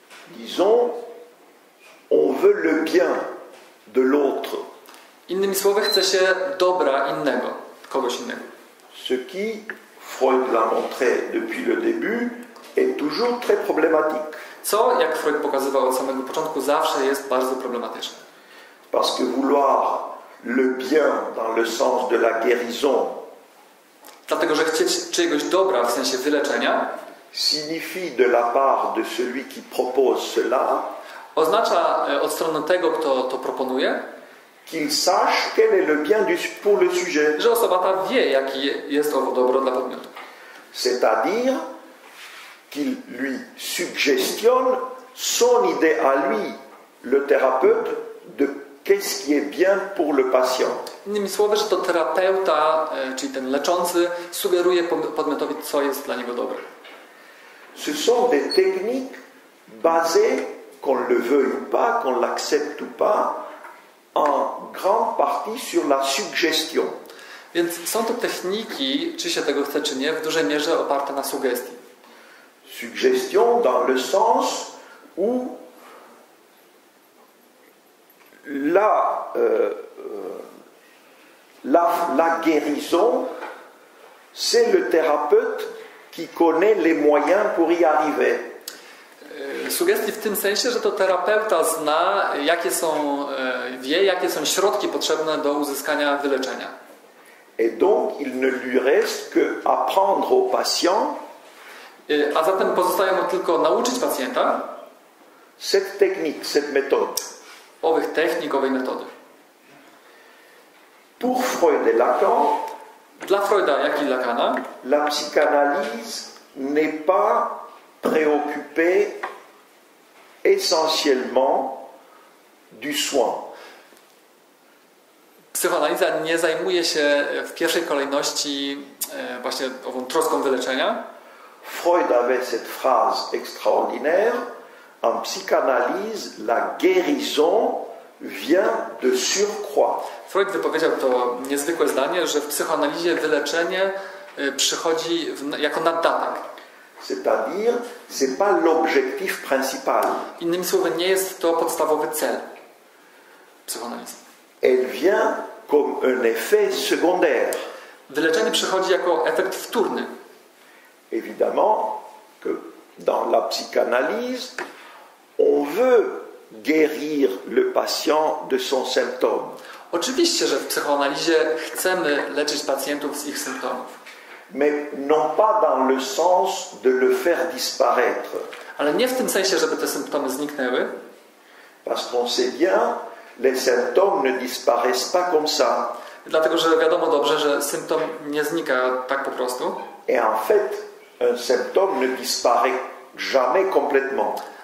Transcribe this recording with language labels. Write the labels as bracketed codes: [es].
[fr] Disons, on veut le bien de l'autre. [pl] Innymi słowy, chce się dobra innego, kogoś innego. [fr] Ce qui Freud l'a montré depuis le début est toujours très problématique. [pl] Co, jak Freud pokazywał od samego początku, zawsze jest bardzo problematyczne. [fr] Parce que vouloir le bien dans le sens de la guérison. [pl] Dlatego, że chcieć czegoś dobra w sensie wyleczenia [fr] signifie de la part de celui qui propose cela. [pl] Oznacza od strony tego, kto to proponuje, [fr] qu'il sache quel est le bien pour le sujet. [pl] Że osoba ta wie, jaki jest owo dobro dla podmiotu. [fr] C'est-à-dire qu'il lui suggestionne son idée à lui, le thérapeute, de qu'est-ce qui est bien pour le patient. [pl] Innymi słowy, że to terapeuta, czyli ten leczący, sugeruje podmiotowi, co jest dla niego dobre. [fr] Ce sont des techniques basées, qu'on le veuille ou pas, qu'on l'accepte ou pas, en grande partie sur la suggestion. [pl] Więc są to techniki, czy się tego chce, czy nie, w dużej mierze oparte na sugestii. [fr] Suggestion dans le sens où là, la guérison, c'est le thérapeute qui connaît les moyens pour y arriver. [pl] Sugestii w tym sensie, że to terapeuta zna, jakie są, wie, jakie są środki potrzebne do uzyskania wyleczenia. [fr] Et donc, il ne lui reste que apprendre au patient. [pl] A zatem pozostaje mu tylko nauczyć pacjenta [fr] cette technique, cette méthode. [pl] Owych technik, owej metody. [fr] Pour Freud et Lacan, [pl] dla Freuda, jak i Lacana, [fr] la psychanalyse n'est pas préoccupée essentiellement du soin. [pl] Psychoanaliza nie zajmuje się w pierwszej kolejności właśnie ową troską wyleczenia. [fr] Freud avait cette phrase extraordinaire: en psychanalyse, la guérison vient de surcroît. [pl] Freud wypowiedział to niezwykłe zdanie, że w psychoanalizie wyleczenie przychodzi jako naddatek. [fr] C'est-à-dire, c'est pas l'objectif principal. [pl] Innymi słowy, nie jest to podstawowy cel psychoanalizy. [fr] Elle vient comme un effet secondaire. [pl] Wyleczenie przychodzi jako efekt wtórny. [fr] Évidemment que dans la psychanalyse, on veut guérir le patient de son symptôme. [pl] Oczywiście, że w psychoanalizie chcemy leczyć pacjentów z ich symptomów. [fr] Mais non pas dans le sens de le faire disparaître. [pl] Ale nie w tym sensie, żeby te symptomy zniknęły. [fr] Parce qu'on sait bien, les symptômes ne disparaissent pas comme ça. [pl] Dlatego, że wiadomo dobrze, że symptom nie znika tak po prostu. [fr] Et en fait, un symptôme ne disparaît jamais complètement.